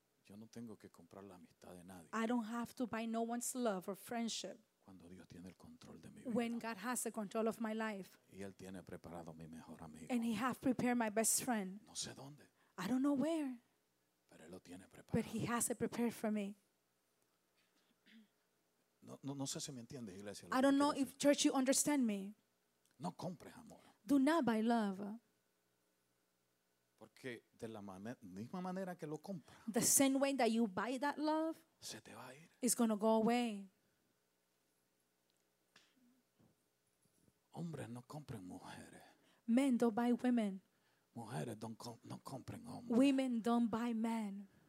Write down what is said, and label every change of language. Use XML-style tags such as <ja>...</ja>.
<es>Yo no tengo que comprar la amistad de nadie.</es> <en>I don't have to buy no one's love or friendship.</en> <es>Cuando Dios tiene el control de mi</es> <en>when When God has the control of my life.</en> <es>Y él tiene preparado mi mejor amigo.</es> <en>And he has prepared my best friend.</en> <es>No sé dónde.</es> <en>I don't know where.</en> <es>Pero él lo tiene preparado.</es> <en>But he has it prepared for me.</en> <es>No sé si me entiendes, iglesia.</es> <en>I don't know if church you understand me.</en> <es>No compres amor.</es> <en>Do not buy love.</en> <es>Porque de la misma manera que lo compra.</es> <en>The same way that you buy that love.</en> <es>Se te va a ir.</es> <en>Is going to go away.</en> <es>Hombres no compren mujeres.</es> <en>Men don't buy women.</en> <es>Mujeres no compren hombres.</es> <en>Women don't buy men.</en>